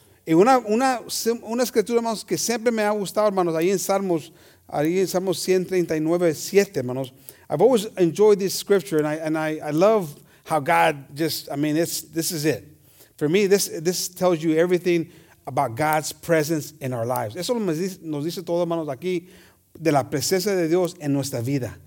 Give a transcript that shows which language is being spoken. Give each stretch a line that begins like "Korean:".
Spanish: Y una escritura, hermanos, que siempre me ha gustado, hermanos, ahí en Salmos 139:7, hermanos.
English: I've always enjoyed this scripture, and I love how God just, I mean, this is it. For me, this tells you everything about God's presence in our lives.
Spanish: Eso nos dice todo, hermanos, aquí, de la presencia de Dios en nuestra vida.